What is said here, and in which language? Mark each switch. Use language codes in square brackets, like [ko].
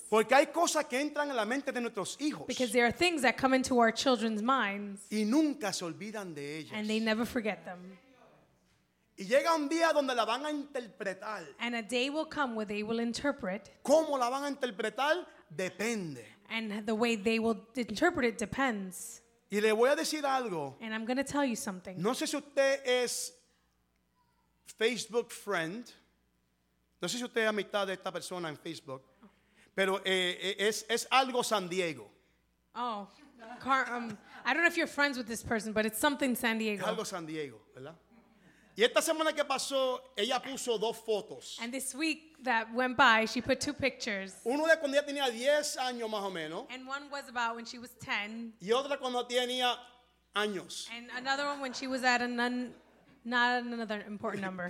[es] Porque hay cosas que entran en la mente de nuestros hijos. [en] Because there are things that come into our children's minds. [es] Y nunca se olvidan de ellas. [en] And they never forget them. [es] Y llega un día donde la van a interpretar. [en] And a day will come where they will interpret. [es] ¿Cómo la van a interpretar? Depende. [en] And the way they will interpret it depends. [es] Y le voy a decir algo. [en] And I'm going to tell you something. [es] No sé si usted es [en] Facebook friend. [es] No sé si usted es amistad de esta persona en Facebook. Pero es algo San Diego. [en] Oh, I don't know if you're friends with this person, but it's something San Diego. [es] Es algo San Diego, ¿verdad? Y esta semana que pasó, ella puso dos fotos. [en] And this week that went by, she put two pictures. [es] Uno de cuando ella tenía 10 años más o menos. [en] And one was about when she was 10. [es] Y otra cuando tenía años. [en] And another one when she was at another important number.